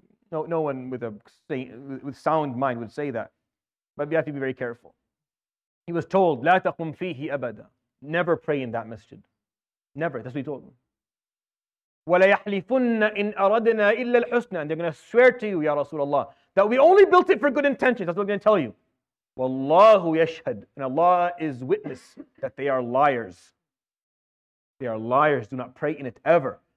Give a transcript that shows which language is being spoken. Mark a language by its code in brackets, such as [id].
[en] No one with sound mind would say that. But we have to be very careful. [ar] He was told, لا تقم فيه أبدا. [en] Never pray in that masjid. Never, that's what he told them. [ar] وَلَيَحْلِفُنَّ إِنْ أَرَدْنَا إِلَّا الْحُسْنَى. [en] And they're going to swear to you, Ya Rasulullah, that we only built it for good intentions. That's what they're going to tell you. [ar] وَاللَّهُ يَشْهَدْ. [en] And Allah is witness that they are liars. They are liars. Do not pray in it ever.